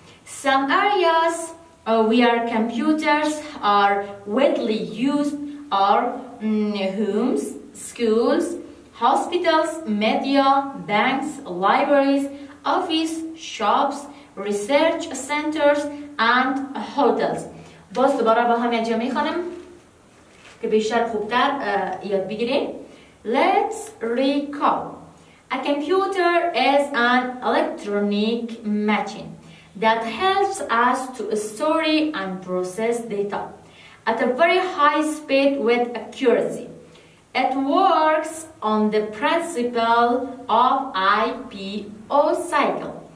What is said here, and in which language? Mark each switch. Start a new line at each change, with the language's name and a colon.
English: Some areas where computers are widely used are homes, schools, hospitals, media, banks, libraries, office, shops, research centers, and hotels.
Persian: باز دوباره با هم یک جا میخوانم که بیشتر خوبتر یاد بگیریم.
English: Let's recall. A computer is an electronic machine that helps us to store and process data at a very high speed with accuracy. It works on the principle of IPO cycle.